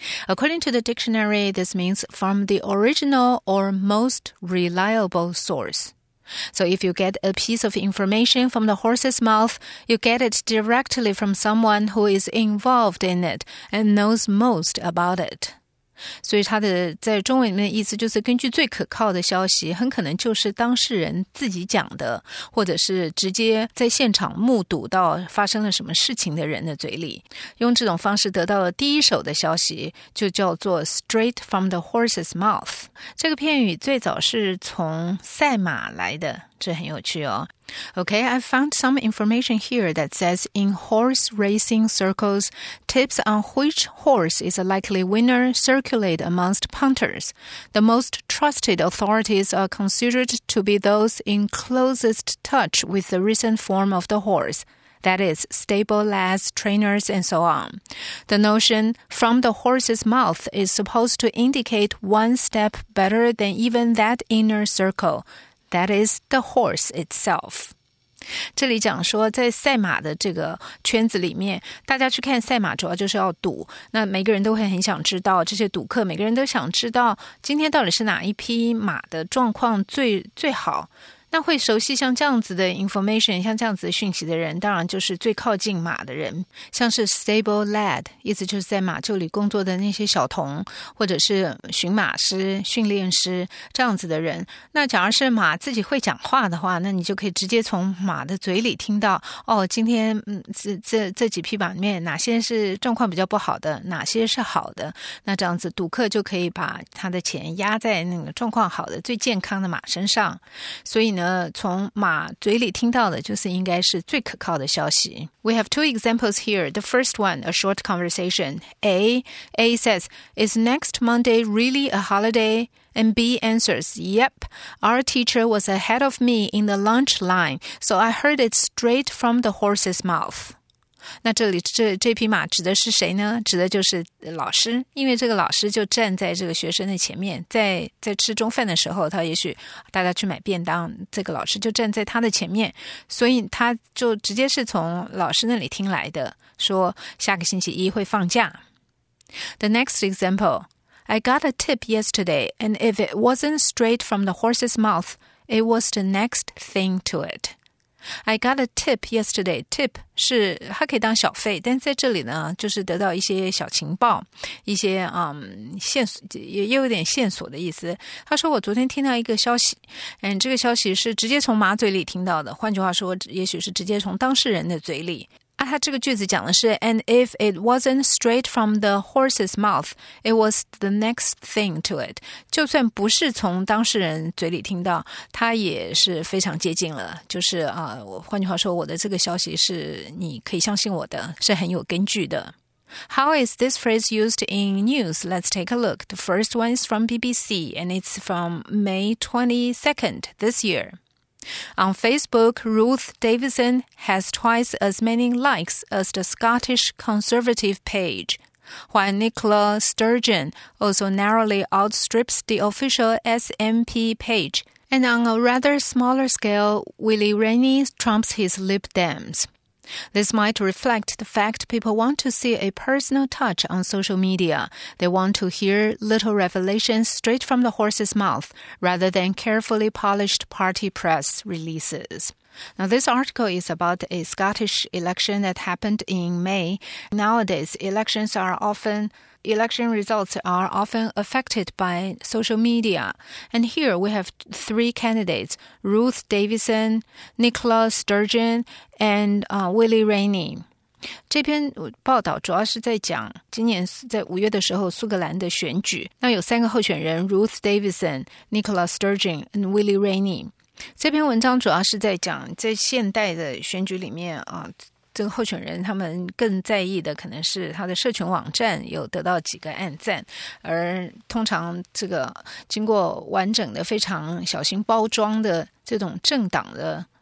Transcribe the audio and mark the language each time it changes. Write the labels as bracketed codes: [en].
[en] According to the dictionary, this means from the original or most reliable source. So if you get a piece of information from the horse's mouth, you get it directly from someone who is involved in it and knows most about it. [zh] 所以它的在中文里面的意思就是根据最可靠的消息，很可能就是当事人自己讲的，或者是直接在现场目睹到发生了什么事情的人的嘴里。用这种方式得到了第一手的消息，就叫做 [en] straight from the horse's mouth。 [zh] 这个片语最早是从赛马来的，这很有趣哦。 [en] Okay, I found some information here that says in horse racing circles, tips on which horse is a likely winner circulate amongst punters. The most trusted authorities are considered to be those in closest touch with the recent form of the horse, that is, stable lads, trainers, and so on. The notion from the horse's mouth is supposed to indicate one step better than even that inner circle,That is the horse itself. [zh] 这里讲说在赛马的这个圈子里面，大家去看赛马主要就是要赌。那每个人都会很想知道，这些赌客每个人都想知道今天到底是哪一匹马的状况最好。那会熟悉像这样子的 information, 像这样子的讯息的人，当然就是最靠近马的人。像是 stable lad, 意思就是在马厩里工作的那些小童，或者是驯马师、训练师，这样子的人。那假如是马自己会讲话的话，那你就可以直接从马的嘴里听到，哦，今天这几匹马里面哪些是状况比较不好的，哪些是好的。那这样子赌客就可以把他的钱压在那个状况好的、最健康的马身上。所以呢，从马嘴里听到的就是应该是最可靠的消息。 [en] We have two examples here. The first one, a short conversation. A says, Is next Monday really a holiday? And B answers, Yep, our teacher was ahead of me in the lunch line, so I heard it straight from the horse's mouth. [zh] 那这里 这匹马指的是谁呢？指的就是老师，因为这个老师就站在这个学生的前面，在吃中饭的时候，他也许大家去买便当，这个老师就站在他的前面，所以他就直接是从老师那里听来的，说下个星期一会放假。 [en] The next example, I got a tip yesterday, and if it wasn't straight from the horse's mouth, it was the next thing to it. I got a tip yesterday. [zh] Tip 是它可以当小费，但在这里呢，就是得到一些小情报，一些线索，也有点线索的意思。他说我昨天听到一个消息，这个消息是直接从马嘴里听到的。换句话说，也许是直接从当事人的嘴里。啊，他这个句子讲的是 [en] ，And if it wasn't straight from the horse's mouth, it was the next thing to it. [zh] 就算不是从当事人嘴里听到，他也是非常接近了。就是啊，换句话说，我的这个消息是你可以相信我的，是很有根据的。 [en] How is this phrase used in news? Let's take a look. The first one is from BBC, and it's from May 22nd this year. On Facebook, Ruth Davidson has twice as many likes as the Scottish Conservative page, while Nicola Sturgeon also narrowly outstrips the official SNP page. And on a rather smaller scale, Willie Rainey trumps his Lib Dems. This might reflect the fact people want to see a personal touch on social media. They want to hear little revelations straight from the horse's mouth rather than carefully polished party press releases. Now, this article is about a Scottish election that happened in May. Nowadays, election results are often affected by social media. And here we have three candidates, Ruth Davidson, Nicola Sturgeon, and Willie Rainey. [zh] 这篇报道主要是在讲今年在五月的时候苏格兰的选举。那有三个候选人 ,Ruth Davidson, Nicola Sturgeon, and Willie Rainey. 这篇文章主要是在讲在现代的选举里面啊这个候选人他们更在意的可能是他的社群网站有得到几个按赞，而通常这个经过完整的非常小心包装的这种政党的